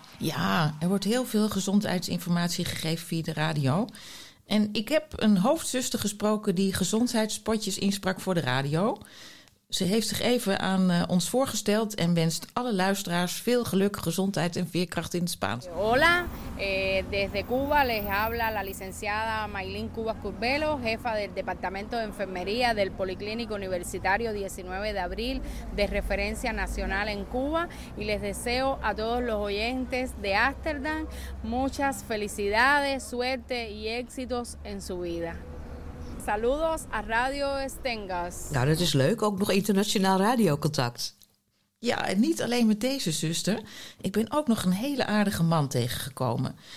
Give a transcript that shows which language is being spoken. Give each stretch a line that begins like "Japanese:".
Dutch: Ja, er wordt heel veel gezondheidsinformatie gegeven via de radio. En ik heb een hoofdzuster gesproken die gezondheidsspotjes insprak voor de radio. Ze heeft zich even aan ons voorgesteld en wenst alle luisteraars veel geluk, gezondheid en veerkracht in het Spaans.
Spanish: Hola, desde Cuba les habla la licenciada Maylin Cubas Curbelo, jefa del departamento de enfermería del Policlínico Universitario 19 de abril de referencia nacional en Cuba y les deseo a todos los oyentes de Ámsterdam muchas felicidades, suerte y éxitos en su vida. Saludos a Radio Stengas.
Dutch: Nou, dat is leuk. Ook nog internationaal radiocontact. Ja, en niet alleen met deze zuster. Ik ben ook nog een hele aardige man tegengekomen.